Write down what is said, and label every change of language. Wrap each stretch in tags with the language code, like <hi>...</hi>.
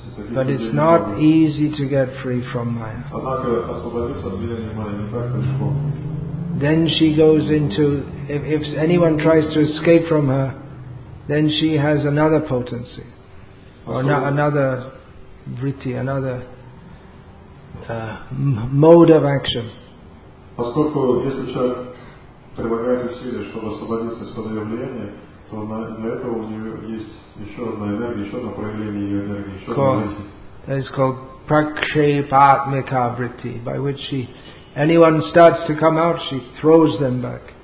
<en>But it's not easy to get free from Maya.</en> <ru>Однако освободиться от влияния Maya не так легко.</ru> <en>Then she goes into, if anyone tries to escape from her, then she has another potency, or another vritti, another mode of action.</en> <ru>Поскольку если человек прилагает усилия, чтобы освободиться из своего влияния, то для этого у нее есть еще одна энергия, еще одно проявление ее энергии, еще одна</ru> <sa>vritti.</sa> <en>That is called prakshepatmika vritti, by which she... Anyone starts to come out, she throws them back.</en>